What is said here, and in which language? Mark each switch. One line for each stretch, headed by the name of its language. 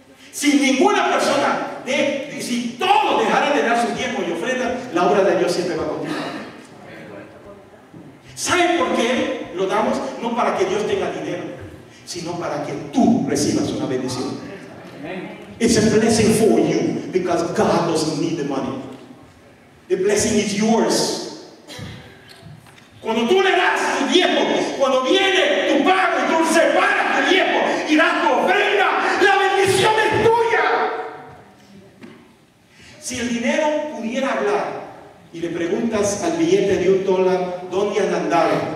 Spanish: Si ninguna persona si todos dejaran de dar su tiempo y ofrenda, la obra de Dios siempre va a continuar. ¿Saben por qué lo damos? No para que Dios tenga dinero, sino para que tú recibas una bendición.
English: It's a blessing for you because God doesn't need the money. The blessing is yours.
Spanish: Cuando tú le das tu tiempo, cuando viene tu pago y tú separas tu tiempo y das tu ofrenda, la bendición es tuya. Si el dinero pudiera hablar y le preguntas al billete de $1, ¿dónde han andado?